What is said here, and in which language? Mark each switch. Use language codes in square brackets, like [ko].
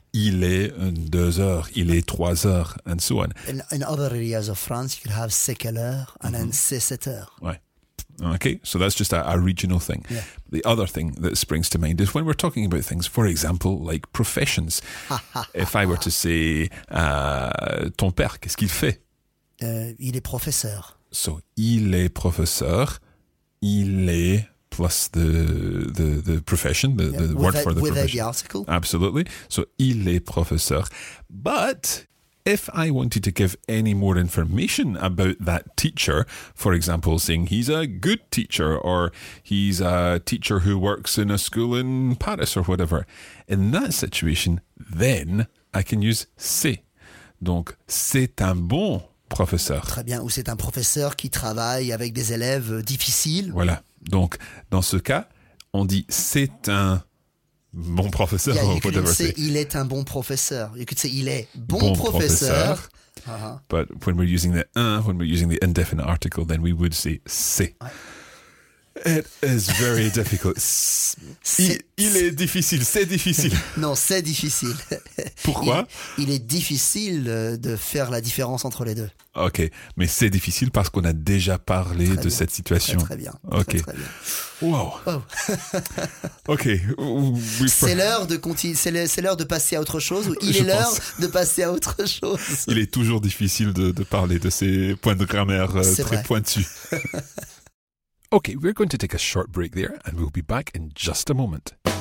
[fr] Il est 2 heures, il est 3 heures, [en] and so on. In other areas of France, you could have c'est quelle heure, and mm-hmm. then c'est 7 heures. [fr] Ouais. [en] Okay, so that's just a regional thing. Yeah. The other thing that springs to mind is when we're talking about things, for example, like professions. If I were to say, [fr] ton père, qu'est-ce qu'il fait? Il est professeur. [en] So, il est professeur, il est plus the profession, the word for the profession. With the article. Absolutely. So, [fr] il est professeur. [en] But if I wanted to give any more information about that teacher, for example, saying he's a good teacher or he's a teacher who works in a school in Paris or whatever, in that situation, then I can use c'est. [fr] Donc, c'est un bon professeur. Très bien. Ou c'est un professeur qui travaille avec des élèves difficiles. Voilà. Donc, dans ce cas, on dit c'est un bon professeur. Il est un bon professeur. [en] You could say il est bon professeur. Uh-huh. But when we're using the when we're using the indefinite article, then we would say c'est. [fr] Ouais. [en] It is very difficult. [fr] Il est difficile. C'est difficile. Non, c'est difficile. Pourquoi? Il est difficile de faire la différence entre les deux. Ok, mais c'est difficile parce qu'on a déjà parlé très de bien. Cette situation. Très, très bien. Ok. Très, très bien. [en] Wow. Ok. [fr] C'est l'heure de passer à autre chose ou l'heure de passer à autre chose. Il est toujours difficile de parler de ces points de grammaire c'est très vrai. Pointus. [en] Ok, we're going to take a short break there and we'll be back in just a moment.